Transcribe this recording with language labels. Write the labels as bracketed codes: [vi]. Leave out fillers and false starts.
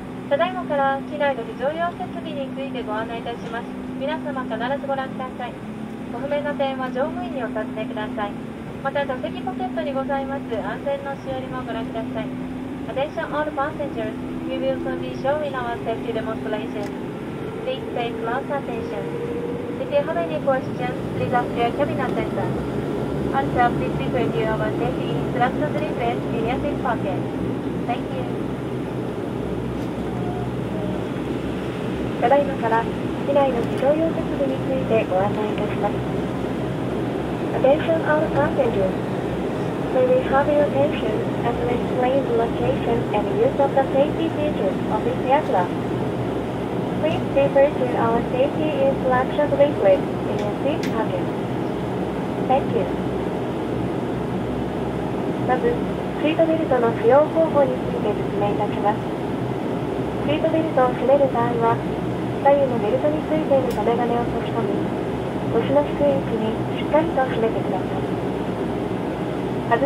[ja] ただいまから機内の非常用設備についてご案内いたします。皆様必ずご覧ください。ご不明な点は乗務員にお尋ねください。また座席ポケットにございます安全のしおりもご覧ください。 [en] Attention all passengers, we will soon be showing our safety demonstration. Please pay close attention. If you have any questions, please ask your cabin attendant. departure of 5030, our safety instructions request in your seat pocket. Thank you. [ja] ただいまから機内の自動用設備についてご案内いたします。 [en] Attention all passengers. May we have your attention as we explain the location and use of the safety features of this aircraft. Please refer to our safety instruction leaflet in your seat pocket. Thank you. [ja] まず、シートベルトの使用方法について説明いたします。シートベルトを締める場合は、左右のベルトについている留め金を差し込み、腰の低い位置にしっかりと締めてください。